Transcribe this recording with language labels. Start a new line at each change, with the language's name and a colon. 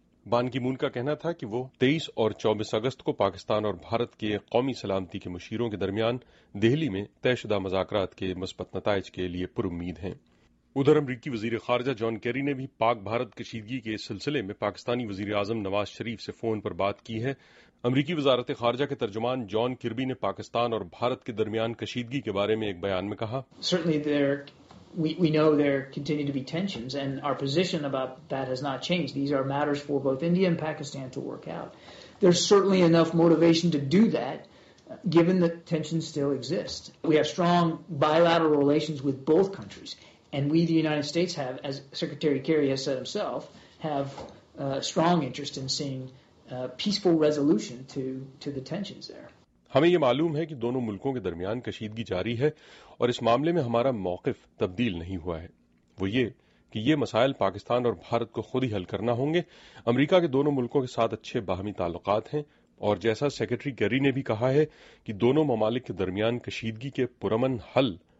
Urdu: بان کی مون کا کہنا تھا کہ وہ 23 اور 24 اگست کو پاکستان اور بھارت کے قومی سلامتی کے مشیروں کے درمیان دہلی میں طے شدہ مذاکرات کے مثبت نتائج کے لیے پر امید ہیں۔ ادھر امریکی وزیر خارجہ جان کیری نے بھی پاک بھارت کشیدگی کے سلسلے میں پاکستانی وزیر اعظم نواز شریف سے فون پر بات کی ہے۔ امریکی وزارت خارجہ کے ترجمان جان کربی نے پاکستان اور بھارت کے درمیان کشیدگی کے بارے میں ایک بیان میں کہا،
English: Certainly we know there continue to be tensions and our position about that has not changed. These are matters for both India and Pakistan to work out. There's certainly enough motivation to do that given that tensions still exist. We have strong bilateral relations with both countries and we the United States have, as Secretary Kerry has said himself, have a strong interest in seeing peaceful resolution to the tensions there.
Urdu: ہمیں یہ معلوم ہے کہ دونوں ملکوں کے درمیان کشیدگی جاری ہے اور اس معاملے میں ہمارا موقف تبدیل نہیں ہوا ہے۔ وہ یہ کہ یہ مسائل پاکستان اور بھارت کو خود ہی حل کرنا ہوں گے۔ امریکہ کے دونوں ملکوں کے ساتھ اچھے باہمی تعلقات ہیں اور جیسا سیکرٹری کیری نے بھی کہا ہے کہ دونوں ممالک کے درمیان کشیدگی کے پرامن حل